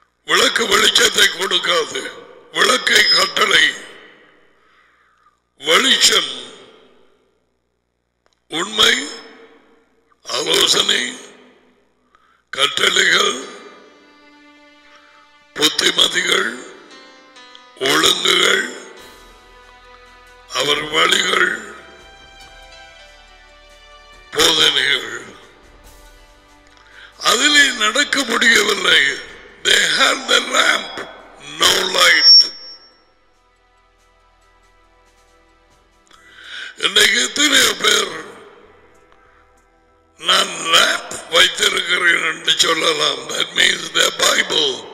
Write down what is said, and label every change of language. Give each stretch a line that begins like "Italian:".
Tamil: விளக்கு வெளிச்சத்தை கொடுக்காது. விளக்கை கட்டளை, வெளிச்சம், உண்மை, ஆலோசனை, கட்டளைகள், புத்திமதிகள், ஒழுங்குகள், அவர் வழிகள், போதனைகள். அதிலே நடக்க முடியவில்லை.
English: They had the lamp, no light.
Tamil: இன்னைக்கு எத்தனை பேர் நான் லேம்ப் வைத்திருக்கிறேன் என்று சொல்லலாம்.
English: That means the Bible.